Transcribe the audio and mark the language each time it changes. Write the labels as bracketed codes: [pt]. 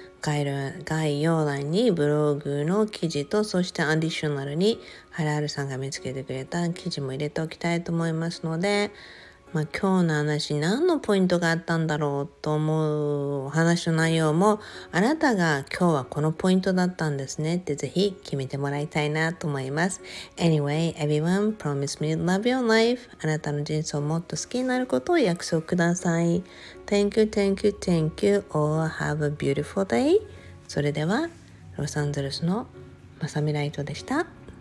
[ja] 概要欄にブログの記事と、そしてアディショナルにハラハルさんが見つけてくれた記事も入れておきたいと思いますので、まあ、今日の話何のポイントがあったんだろうと思うお話の内容も、あなたが今日はこのポイントだったんですねってぜひ決めてもらいたいなと思います。 [en] Anyway, everyone, promise me love your life. [ja] あなたの人生をもっと好きになることを約束ください。 [en] Thank you, thank you, thank you, all have a beautiful day. [ja] それではロサンゼルスのマサミライトでした。